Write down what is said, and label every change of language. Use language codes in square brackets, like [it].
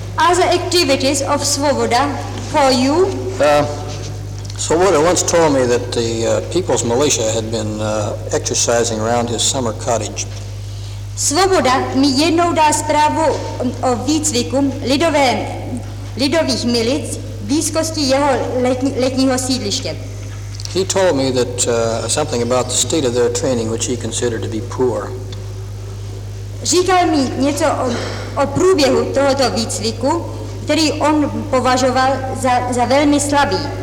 [en] Other activities of Svoboda for you? So Wooder once told me that the people's militia had been exercising around his summer cottage. [cs] Svoboda mi jednou dal zprávu o výcviku lidových milic v blízkosti jeho letního sídliště. [en] He told me that something about the state of their training, which he considered to be poor. [cs] Říkal mi něco o průběhu tohoto výcviku, který on považoval za velmi slabý.